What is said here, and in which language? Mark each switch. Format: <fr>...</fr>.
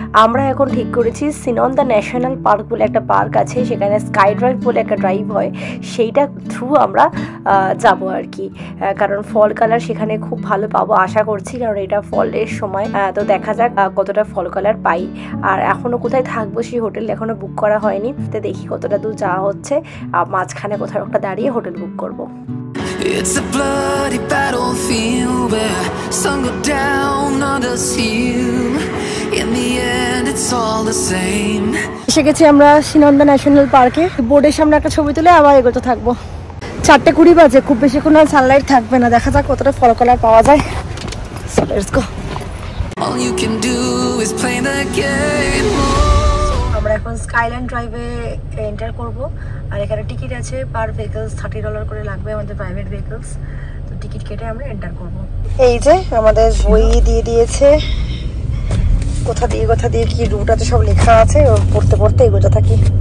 <bn>আমরা এখন ঠিক করেছি সিনন দা ন্যাশনাল পার্ক বলে একটা পার্ক আছে, সেখানে স্কাই ড্রাইভ বলে একটা ড্রাইভ হয়, সেইটা থ্রু আমরা যাব আর কি। কারণ ফল কালার সেখানে খুব ভালো পাবো আশা করছি, কারণ এটা ফলের সময়। তো দেখা যাক কতটা ফল কালার পাই, আর এখনও কোথায় থাকবো সেই হোটেল এখনও বুক করা হয়নি। তো দেখি কতটা দূর যাওয়া হচ্ছে, আর মাঝখানে কোথাও একটা দাঁড়িয়ে হোটেল বুক করবো।</bn> <en>It's a bloody battlefield where sun go down, others heal. In the end, it's all the same.</en> <bn>এসে গেছি আমরা শিনন্দা ন্যাশনাল পার্কে। বোর্ডের সামনে একটা ছবি তুলে আবার এগোতে থাকবো। 4:20 বাজে, খুব বেশিক্ষণ আর সানলাইট থাকবে না, দেখা যাক কতটা ফল কালার পাওয়া যায়।</bn> <en>So let's go. All you can do is play the game.</en> <bn>আমরা এখন স্কাইলাইন ড্রাইভে এন্টার করব, আর এখানে টিকিট আছে, পার ভেহিকলস $30 করে লাগবে আমাদের প্রাইভেট ভেহিকলস। তো টিকিট কেটে আমরা এন্টার করব। এই যে আমাদের বই দিয়ে দিয়েছে, কোথা দিয়ে কোথা দিয়ে কি রুট আছে সব লেখা আছে, পড়তে পড়তে এগোতে থাকি।</bn>